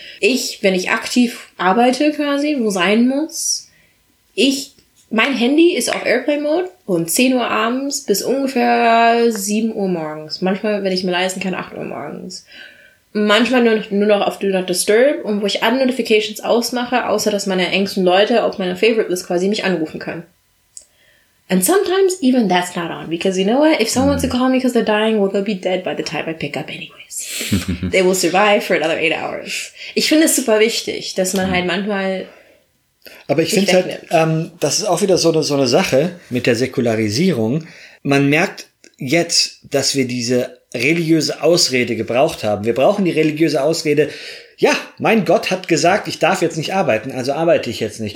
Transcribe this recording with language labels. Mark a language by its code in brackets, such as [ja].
[de] Ich, wenn ich aktiv arbeite quasi, wo sein muss, mein Handy ist auf Airplane-Mode von 10 Uhr abends bis ungefähr 7 Uhr morgens. Manchmal, wenn ich mir leisten kann, 8 Uhr morgens. Manchmal nur noch auf Do Not Disturb und wo ich alle Notifications ausmache, außer dass meine engsten Leute auf meiner Favorite List quasi mich anrufen können. [en] And sometimes even that's not on, because you know what? If someone wants to call me because they're dying, well, they'll be dead by the time I pick up anyways. They will survive for another 8 hours. [de] Ich finde es super wichtig, dass man halt manchmal. Aber ich finde halt, das ist auch wieder so eine Sache mit der Säkularisierung. Man merkt jetzt, dass wir diese religiöse Ausrede gebraucht haben. Wir brauchen die religiöse Ausrede. Ja, mein Gott hat gesagt, ich darf jetzt nicht arbeiten, also arbeite ich jetzt nicht.